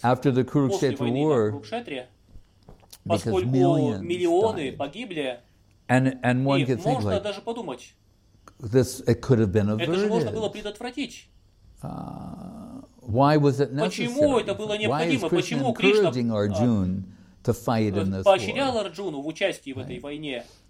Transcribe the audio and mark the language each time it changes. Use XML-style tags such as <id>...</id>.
<en>After the Kurukshetra war, because millions died. And one could think like,</en> <ru>даже подумать,</ru> <en>this it could have been averted.</en> <ru>Это же можно было предотвратить.</ru> <en>Why was it necessary?</en> <ru>Почему это было необходимо?</ru> <en>Why is Krishna encouraging Arjuna to fight in this war?</en> <ru>Поощрял Арджуну в участии в этой войне.</ru>